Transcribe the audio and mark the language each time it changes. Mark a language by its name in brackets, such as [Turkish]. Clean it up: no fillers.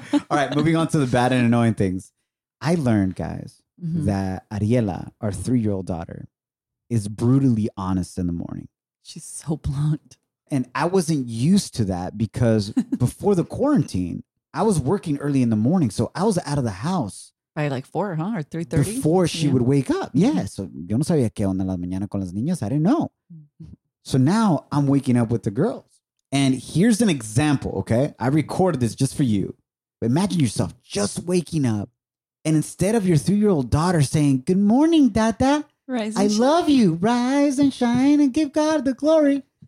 [English] All right, moving on to the bad and annoying things. I learned, guys, mm-hmm, that Ariela, our three-year-old daughter, is brutally honest in the morning. She's so blunt. And I wasn't used to that because before the quarantine, I was working early in the morning, so I was out of the house. By like 4, huh? Or 3:30? Before she would wake up. Yeah. [Spanish] So yo no sabía qué onda las mañanas con las niñas. [English] I didn't know. So now I'm waking up with the girls. And here's an example, okay? I recorded this just for you. Imagine yourself just waking up, and instead of your three-year-old daughter saying, good morning, Dada. Rise I love shine. You. Rise and shine and give God the glory.